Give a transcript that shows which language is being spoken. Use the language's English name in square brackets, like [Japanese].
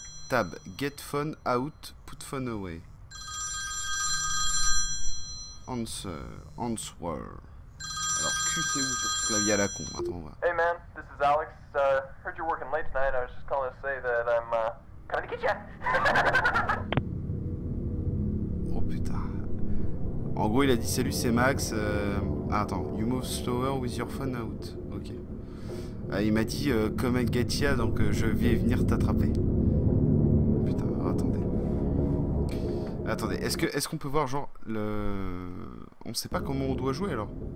[English] Tab, get phone out, put phone away. Answer. [French] Alors, Q, c'est où sur ce clavier à la con? Attends, on va. [English] Hey man, this is Alex. Heard you're working late tonight. I was just calling to say that I'm coming to get [French] Oh putain. En gros, il a dit salut, c'est Max. Ah, attends, [English] you move slower with your phone out. Ok. [French] Ah, il m'a dit [English] come and get ya, [French] donc je vais venir t'attraper. Attendez, est-ce qu'on peut voir genre le. On sait pas comment on doit jouer alors.